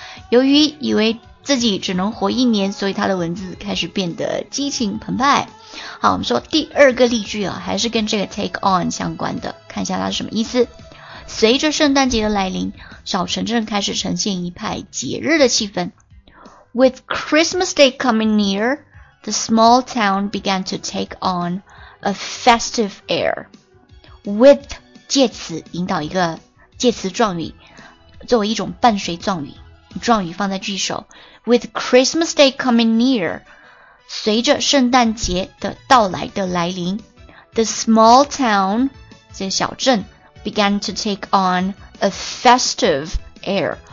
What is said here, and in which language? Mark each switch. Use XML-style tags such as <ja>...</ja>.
<zh>由于以为自己只能活一年，所以他的文字开始变得激情澎湃。好，我们说第二个例句啊，还是跟这个 take on 相关的，看一下它是什么意思。随着圣诞节的来临，小城镇开始呈现一派节日的气氛。</zh> <en>With Christmas Day coming near, the small town began to take on a festive air.</en> <zh>With 介词引导一个介词状语，作为一种伴随状语，状语放在句首。</zh> <en>With Christmas Day coming near,</en> <zh>随着圣诞节的到来的来临，</zh> <en>The small town</en> <zh>这小镇</zh> <en>began to take on a festive air.</en>